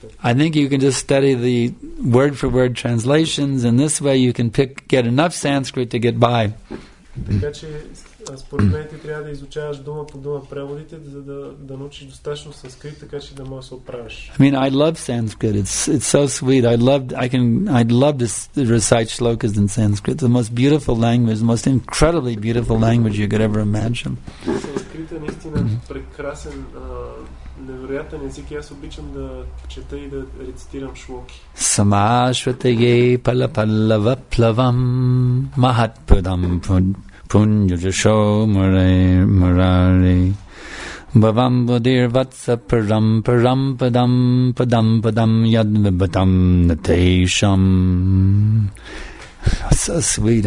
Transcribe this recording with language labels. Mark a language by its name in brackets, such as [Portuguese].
[English] I think you can just study the word-for-word translations, and this way you can get enough Sanskrit to get by. [Bulgarian] Така че Според мен ти трябва да изучаваш дума по дума преводите, за да, да научиш достатъчно санскрит, така че да можеш да се оправиш. [English] I mean, I love Sanskrit. It's so sweet. I'd love to recite shlokas in Sanskrit. The most beautiful language, the most incredibly beautiful language you could ever imagine. [Bulgarian] Санскрит е наистина прекрасен, невероятен език и аз обичам да чета и да рецитирам шлоки. Самашватеге палапалава плавам махатпадам пун Punya jasho mare marari bavam bodir vatsa param param padam padam padam yadvibhatam natesham. [English] So sweet.